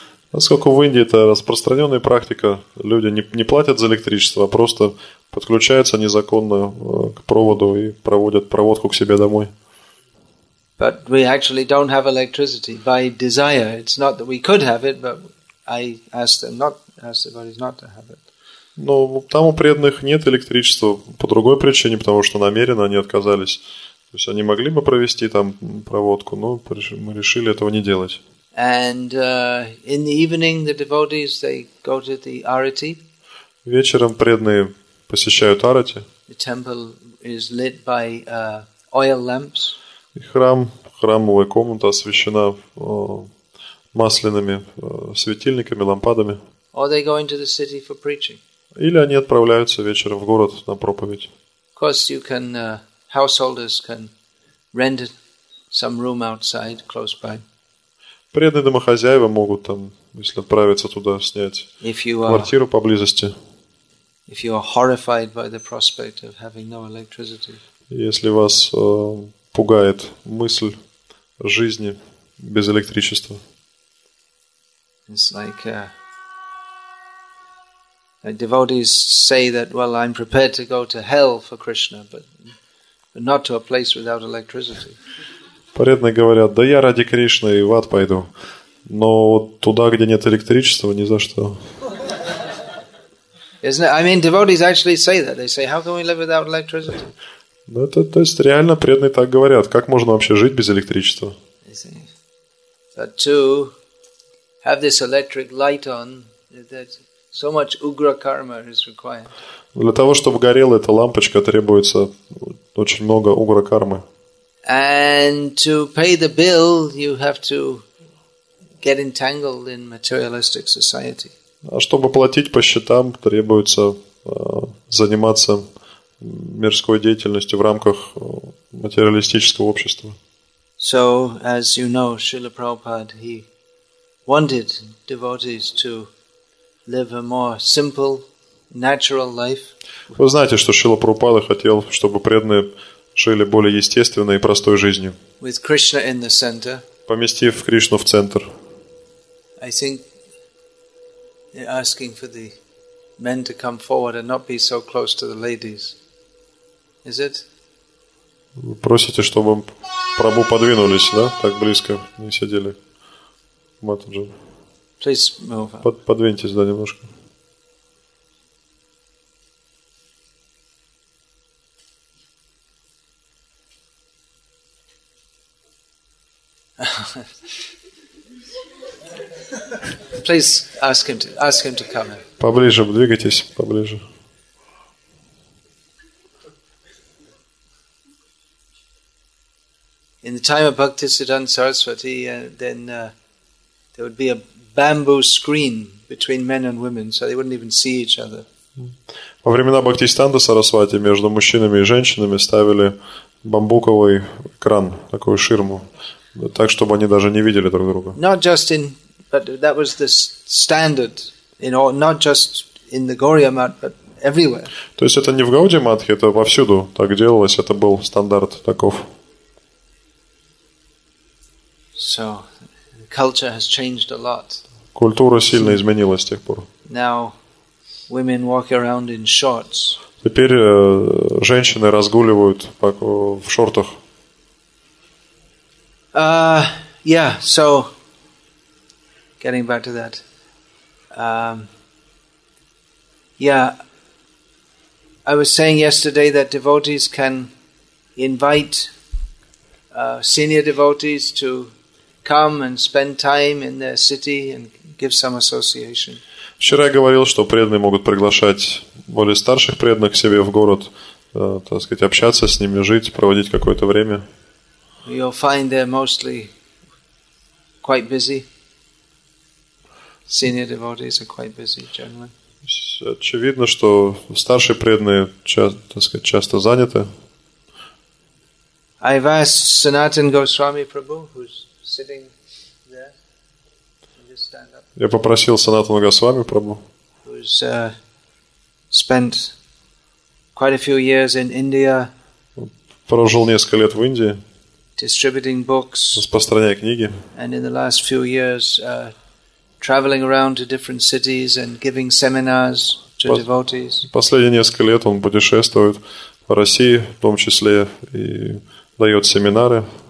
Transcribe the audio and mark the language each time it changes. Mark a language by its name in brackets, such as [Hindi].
[Russian] Поскольку в Индии это распространенная практика, люди не платят за электричество, а просто подключаются незаконно к проводу и проводят проводку к себе домой. [English] But we actually don't have electricity by desire. It's not that we could have it, but I asked them not, asked the bodies not to have it. [Russian] Но там у преданных нет электричества по другой причине, потому что намеренно они отказались. То есть они могли бы провести там проводку, но мы решили этого не делать. [English] And in the evening the devotees they go to the arati. [Russian] Вечером преданные посещают арати. [English] The temple is lit by oil lamps. [Russian] Храм, храмовая комната освещена масляными светильниками, лампадами. [English] Or they go into the city for preaching. [Russian] Или они отправляются вечером в город на проповедь. [English] Of course you can householders can rent some room outside close by. [Russian] Преданные домохозяева могут там, если отправиться туда, снять квартиру поблизости. [English] If you are horrified by the prospect of having no electricity. [Russian] Если вас пугает мысль жизни без электричества. [English] It's like devotees say that, well, I'm prepared to go to hell for Krishna, but not to a place without electricity. [Russian] Преданные говорят: да я ради Кришны и в ад пойду, но вот туда, где нет электричества, ни за что. [English] Isn't it? I mean, devotees actually say that. They say, how can we live without electricity? [Russian] Ну, это, то есть, реально преданные так говорят. Как можно вообще жить без электричества? [English] But to have this electric light on, that so much ugra karma is required. [Russian] Для того, чтобы горела эта лампочка, требуется очень много угра кармы. [English] And to pay the bill, you have to get entangled in materialistic society. [Russian] А чтобы платить по счетам, требуется заниматься мирской деятельностью в рамках материалистического общества. [English] So, as you know, Srila Prabhupada, he wanted devotees to live a more simple, natural life. [Russian] Вы знаете, что Шрила Прабхупада хотел, чтобы преданные жили более естественной и простой жизнью. [English] With Krishna in the center. [Russian] Поместив Кришну в центр. [English] I think they're asking for the men to come forward and not be so close to the ladies. Is it? [Russian] Вы просите, чтобы Прабху подвинулись, да? Так близко не сидели. Матаджи. [English] Please move up. [Russian] Подвиньтесь, да, немножко. [English] Please ask him to come. [Russian] Поближе, двигайтесь поближе. [English] In the time of Bhaktisiddhanta Saraswati, then there would be a bamboo screen between men and women, so they wouldn't even see each other. [Russian] Во времена Бхактисиддханта Сарасвати между мужчинами и женщинами ставили бамбуковый экран, такую ширму, так чтобы они даже не видели друг друга. [English] Not just in, but that was the standard in all, not just in the Gaudiya Math, but everywhere. [Russian] То есть это не в Гауди Матхе, это повсюду так делалось, это был стандарт таков. [English] So, culture has changed a lot. [Russian] Культура сильно изменилась с тех пор. [English] Now, women walk around in shorts. [Russian] Теперь женщины разгуливают в шортах. [English] Yeah. So, getting back to that. I was saying yesterday that devotees can invite senior devotees to come and spend time in their city and give some association. [Russian] Вчера я говорил, что преданные могут приглашать более старших преданных к себе в город, так сказать, общаться с ними, жить, проводить какое-то время. [English] You'll find they're mostly quite busy. Senior devotees are quite busy generally. [Russian] Очевидно, что старшие преданные, так сказать, часто заняты. [English] I've asked Sanatan Goswami Prabhu, who's sitting there. Just stand up. [Russian] Я попросил Санатану Госвами Прабху. [English] Who's spent quite a few years in India. [Russian] Прожил несколько лет в Индии. [English] Distributing books. [Russian] Распространяя книги. [English] And in the last few years, traveling around to different cities and giving seminars to devotees. [Russian] Последние несколько лет он путешествует по России, в том числе и дает семинары.